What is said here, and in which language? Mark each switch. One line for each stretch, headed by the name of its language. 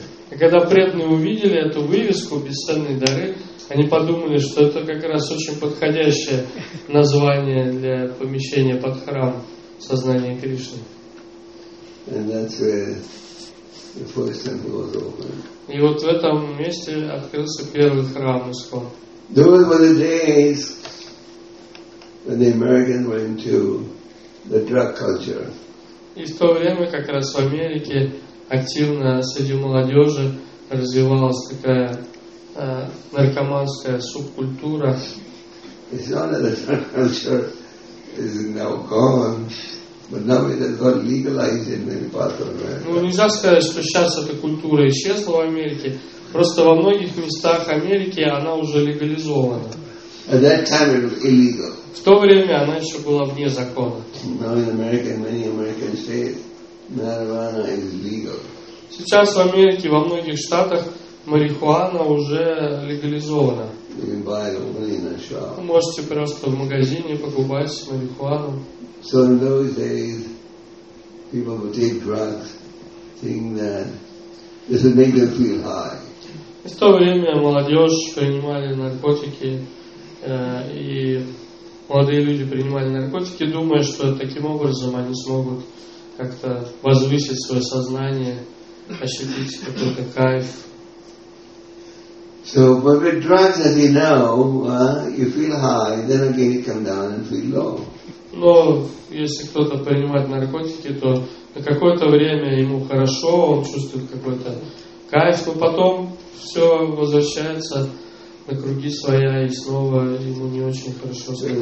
Russian: И когда преданные увидели эту вывеску «Бесценные дары», они подумали, что это как раз очень подходящее название для помещения под храм сознания Кришны.
English: And that's where the first temple was opened.
Russian: И вот в этом месте открылся первый храм ИСКОН.
English: Those were the days when the Americans went into the drug culture.
Russian: И в то время как раз в Америке активно среди молодежи развивалась такая наркоманская субкультура.
English: It's not that the drug culture is now gone. But now it has got legalized in many parts of America.
Russian: Ну, нельзя сказать, что сейчас эта культура исчезла в Америке. Просто во многих местах Америки она уже легализована.
English: At that time it was illegal.
Russian: В то время она еще была вне закона.
English: Now in America, in many American states, marijuana is legal.
Russian: Сейчас в Америке во многих штатах марихуана уже легализована. Можете просто в магазине покупать марихуану.
English: So in those days, people would take drugs, thinking that this would make them feel high.
Russian: И в то время молодежь принимали наркотики, и молодые люди принимали наркотики, думая, что таким образом они смогут как-то возвысить свое сознание, ощутить какой-то кайф.
English: So, but with drugs, as you know, you feel high, then again you come down and feel low.
Russian: Но если кто-то принимает наркотики, то на какое-то время ему хорошо, он чувствует какой-то кайф, но потом все возвращается на круги своя, и снова ему не очень хорошо